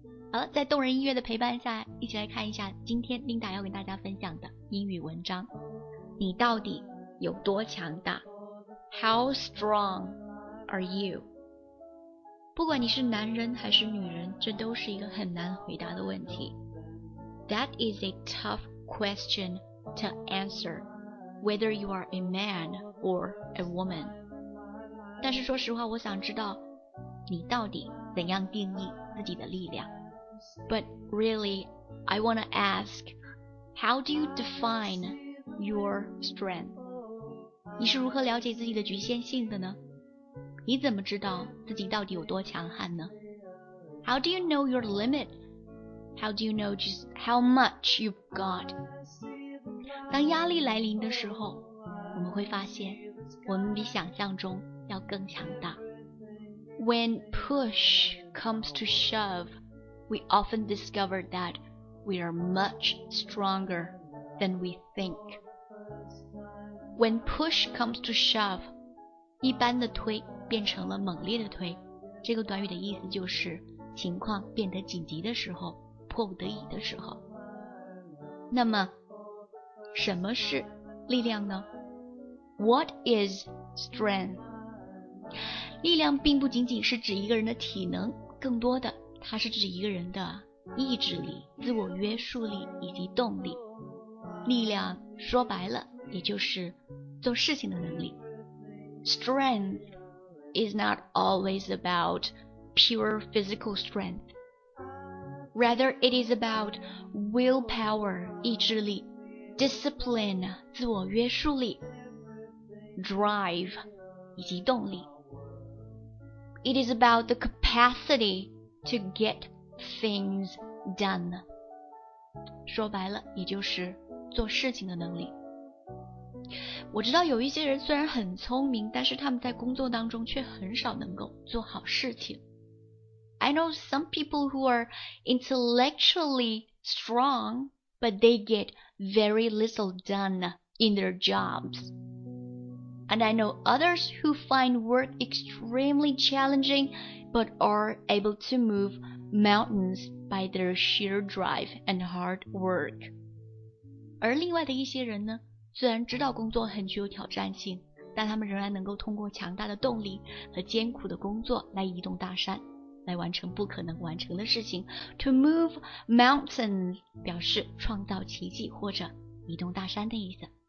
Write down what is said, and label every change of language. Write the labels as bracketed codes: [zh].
[zh] 好了，在动人音乐的陪伴下，一起来看一下今天 Linda 要给大家分享的英语文章。你到底有多强大？ [en] How strong are you? [zh] 不管你是男人还是女人，这都是一个很难回答的问题。 [en] That is a tough question to answer, whether you are a man or a woman. [zh] 但是说实话，我想知道你到底怎样定义自己的力量。 [en] But really, I want to ask, how do you define your strength? [zh] 你是如何了解自己的局限性的呢？你怎么知道自己到底有多强悍呢？ [en] How do you know your limit? How do you know just how much you've got? [zh] 当压力来临的时候，我们会发现我们比想象中要更强大。 [en] When push comes to shove, we often discover that we are much stronger than we think. When push comes to shove, [zh] 一般的推变成了猛烈的推，这个短语的意思就是情况变得紧急的时候，迫不得已的时候。那么什么是力量呢？ [en] What is strength? [zh] 力量并不仅仅是指一个人的体能，更多的它是指一个人的意志力、自我约束力以及动力。力量说白了也就是做事情的能力。 [en] Strength is not always about pure physical strength. Rather, it is about willpower, [zh] 意志力， [en] discipline, [zh] 自我约束力， [en] drive, [zh] 以及动力。 [en] It is about the capacity to get things done. [zh] 说白了，也就是做事情的能力。我知道有一些人虽然很聪明，但是他们在工作当中却很少能够做好事情。 [en] I know some people who are intellectually strong, but they get very little done in their jobs. And I know others who find work extremely challenging, but are able to move mountains by their sheer drive and hard work. [zh] 而另外的一些人呢，虽然知道工作很具有挑战性，但他们仍然能够通过强大的动力和艰苦的工作来移动大山，来完成不可能完成的事情。 [en] To move mountains [zh] 表示创造奇迹或者移动大山的意思。